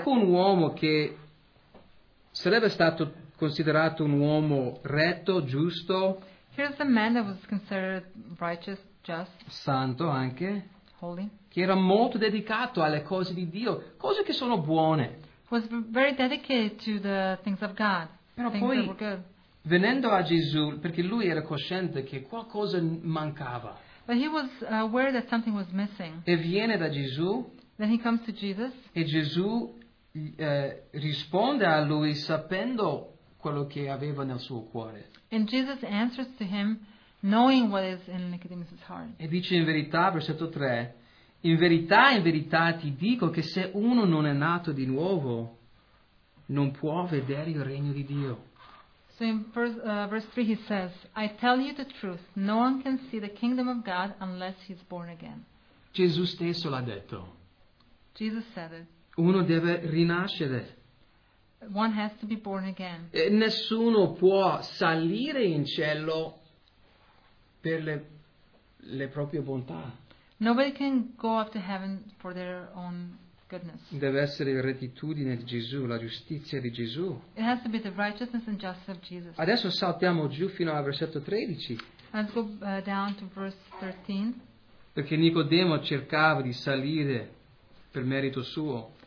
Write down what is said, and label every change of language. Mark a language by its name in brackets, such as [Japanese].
[Italian] Ecco un uomo che sarebbe stato considerato un uomo retto, giusto. [English] Here's a man that was considered righteous, just. [Italian] Santo anche. [English] Holy. [Italian] Che era molto dedicato alle cose di Dio, cose che sono buone. [English] Was very dedicated to the things of God. [Italian] Però [English] things [Italian] poi [English] that were good. [Italian] Venendo a Gesù, perché lui era cosciente che qualcosa mancava. [English] But he was aware that something was missing. [Italian] E viene da Gesù. [English] Then he comes to Jesus. [Italian] E Gesù risponde a lui sapendo quello che aveva nel suo cuore. [English] And Jesus answers to him knowing what is in Nicodemus' heart. [Italian] E dice in verità, versetto 3, in verità ti dico che se uno non è nato di nuovo, non può vedere il regno di Dio. [English] So in verse 3 he says, I tell you the truth, no one can see the kingdom of God unless he's born again. [Italian] Gesù stesso l'ha detto. [English] Jesus said it. [Italian] Uno deve rinascere. [English] One has to be born again. [Italian] E nessuno può salire in cielo per le proprie bontà. [English] Nobody can go up to heaven for their own goodness. [Italian] Deve essere la rettitudine di Gesù, la giustizia di Gesù. [English] It has to be the righteousness and justice of Jesus. [Italian] Adesso saltiamo giù fino al versetto 13. [English] Let's go down to verse 13. [Italian] Perché Nicodemo cercava di salire per merito suo.